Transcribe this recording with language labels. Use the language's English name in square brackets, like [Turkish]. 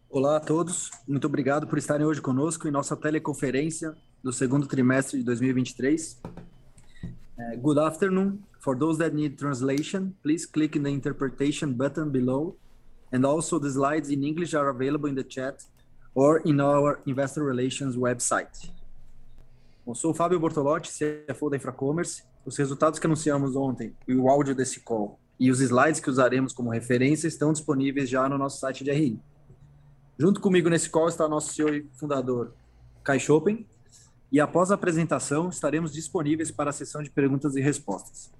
[Portuguese] Olá a todos, muito obrigado por estarem hoje conosco em nossa teleconferência do segundo trimestre de 2023. [English] Good afternoon. For those that need translation, please click in the interpretation button below. And also, the slides in English are available in the chat or in our investor relations website. [Portuguese] Bom, sou o Fábio Bortolotti, CFO da Infracommerce. Os resultados que anunciamos ontem e o áudio desse call e os slides que usaremos como referência estão disponíveis já no nosso site de RI. Junto comigo nesse call está nosso CEO e fundador, Kai Schopen. E após a apresentação, estaremos disponíveis para a sessão de perguntas e respostas.